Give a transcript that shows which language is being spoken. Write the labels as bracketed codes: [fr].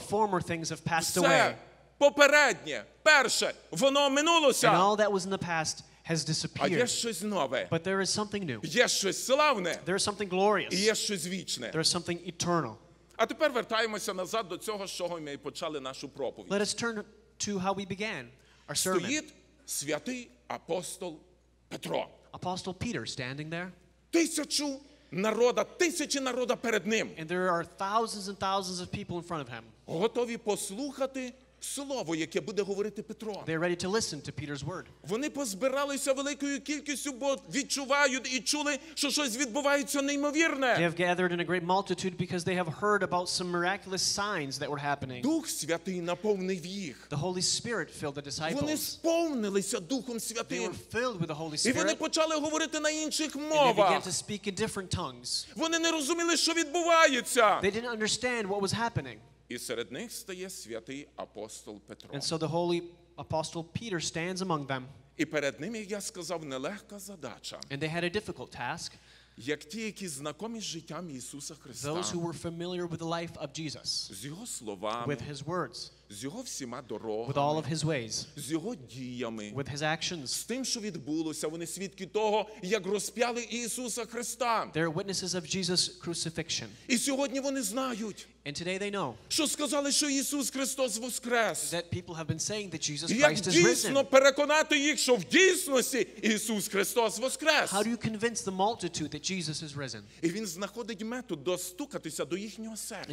[uk] Все попереднє, перше, воно минулося. [en] Has disappeared. [uk] А є щось нове. [en] But there is something new. [uk] Є щось славне. [en] There is something glorious. [uk] І є щось вічне. [en] There is something eternal. [uk] А тепер вертаємося назад до цього, з чого ми почали нашу проповідь. [en] Let us turn to how we began our sermon. [uk] Стоїть святий апостол Петро. [en] Apostle Peter standing there. [uk] Тисячу народа, тисячі народа перед ним. [en] And there are thousands and thousands of people in front of him. [uk] Готові послухати Слово, яке буде говорити Петро. [en] They're ready to listen to Peter's word. [uk] Вони позбиралися великою кількістю, бо відчувають і чули, що щось відбувається неймовірне. [en] They have gathered in a great multitude because they have heard about some miraculous signs that were happening. [uk] Дух Святий наповнив їх. [en] The Holy Spirit filled the disciples. [uk] Вони сповнилися Духом Святим. [en] They were filled with the Holy Spirit. [uk] І вони почали говорити на інших мовах. [en] And they began to speak in different tongues. [uk] Вони не розуміли, що відбувається. [en] They didn't understand what was happening. [uk] І серед них стає святий апостол Петро. [en] And so the holy apostle Peter stands among them. [uk] І перед ними, як я сказав, нелегка задача. [en] And they had a difficult task. [uk] Як ті, які знайомі з життям Ісуса Христа. [en] Those who were familiar with the life of Jesus. [uk] З його словами. [en] With his words. [uk] З його всіма дорогами. [en] With all of his ways. [uk] З його діями. [en] With his actions. [uk] З тим, що відбулося, вони свідки того, як розп'яли Ісуса Христа. [en] They are witnesses of Jesus' crucifixion. [uk] І сьогодні вони знають. [en] And today they know. [uk] Що сказали, що Ісус Христос воскрес. [en] That people have been saying that Jesus Christ is risen. [uk] Як дійсно переконати їх, що в дійсності Ісус Христос воскрес. [en] How do you convince the multitude that Jesus is risen? [uk] І він знаходить метод достукатися до їхнього серця.